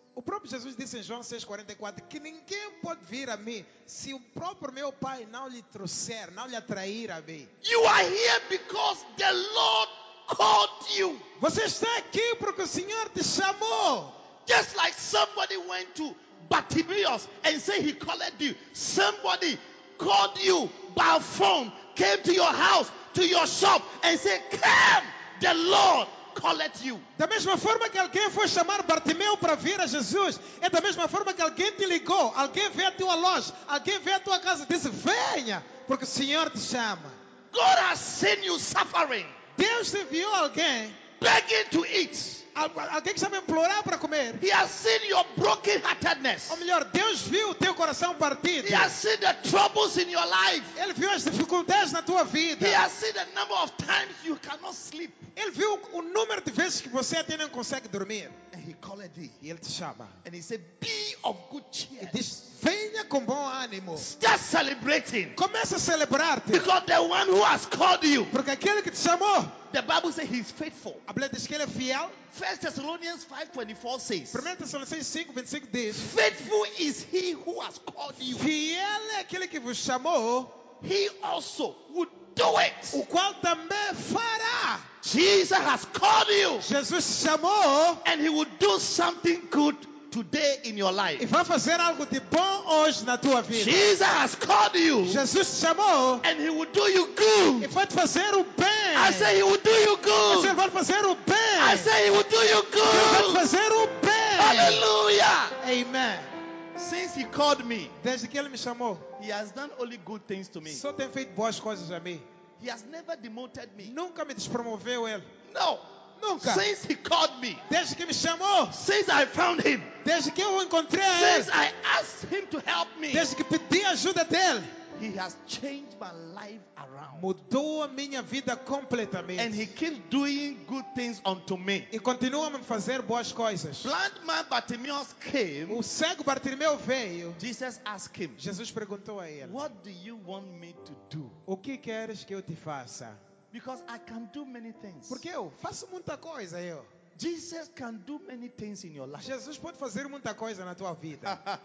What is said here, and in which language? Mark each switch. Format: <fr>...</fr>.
<pt>O próprio Jesus disse em João 6:44 que ninguém pode vir a mim se o próprio meu Pai não lhe trouxer, não lhe atrair a mim.</pt> <en>You are here because the Lord called you.</en> <pt>Você está aqui porque o Senhor te chamou.</pt> <en>Just like somebody went to Bartimaeus and said he called you. Somebody called you by phone, came to your house, to your shop, and said, come, the Lord called you.</en> <pt>Da mesma forma que alguém foi chamar Bartimeu para vir a Jesus, é da mesma forma que alguém te ligou, alguém veio à tua loja, alguém veio à tua casa e disse, venha, porque o Senhor te chama.</pt> <en>God has seen you suffering.</en> <pt>Deus te viu alguém</pt> <en>begging to eat.</en> <pt>Alguém que sabe implorar para comer.</pt> <en>He has seen your broken heartedness.</en> <pt>Ou melhor, Deus viu o teu coração partido.</pt> <en>He has seen the troubles in your life.</en> <pt>Ele viu as dificuldades na tua vida.</pt> <en>He has seen the number of times you cannot sleep.</en> <pt>Ele viu o número de vezes que você até não consegue dormir.</pt> <en>And he called thee.</en> <pt>E ele te chama.</pt> <en>And he said, be of good cheer.</en> <pt>E diz, venha com bom ânimo.</pt> <en>Start celebrating.</en> <pt>Começa a celebrar-te.</pt> <en>Because the one who has called you.</en> <pt>Porque aquele que te chamou.</pt> <en>The Bible says he is faithful.</en> <pt>A Bíblia diz que ele é fiel.</pt> <en>1 Thessalonians 5:24 says.</en> <pt>1 Thessalonians 5:26 diz.</pt> <en>Faithful is he who has called you.</en> <pt>Fiel é aquele que vos chamou.</pt> <en>He also would do it.</en> <pt>O qual também fará.</pt> <en>Jesus has called you.</en> <pt>Jesus chamou.</pt> <en>And he would do something good today in your life.</en> <pt>E vai fazer algo de bom hoje na tua vida.</pt> <en>Jesus has called you.</en> <pt>Jesus chamou.</pt> <en>And he would do you good.</en> <pt>E vai fazer o bem.</pt> <en>I say he would do you good.</en> <pt>Ele vai fazer o bem.</pt> <en>I say he would do you good.</en> <pt>Ele vai fazer o bem. Hallelujah. Amen.</pt> <en>Since he called me.</en> <pt>Desde que ele me chamou.</pt> <en>He has done only good things to me.</en> <pt>Só tem feito boas coisas a mim.</pt> <en>He has never demoted me.</en> <pt>Nunca me despromoveu ele.</pt> <en>No.</en> <pt>Nunca.</pt> <en>Since he called me.</en> <pt>Desde que me chamou.</pt> <en>Since I found him.</en> <pt>Desde que eu encontrei</pt> <en>since Since I asked him to help me.</en> <pt>Desde que pedi ajuda dele.</pt> <en>He has changed my life around.</en> <pt>Mudou a minha vida completamente.</pt> <en>And he keeps doing good things unto me.</en> <pt>E continua a fazer boas coisas.</pt> <en>Blind man Bartimaeus came.</en> <pt>O cego Bartimeu veio.</pt> <en>Jesus asked him.</en> <pt>Jesus perguntou a ele.</pt> <en>What do you want me to do?</en> <pt>O que queres que eu te faça?</pt> <en>Because I can do many things.</en> <pt>Porque eu faço muita coisa eu.</pt> <en>Jesus can do many things in your life.</en> <pt>Jesus pode fazer muita coisa na tua vida.</pt>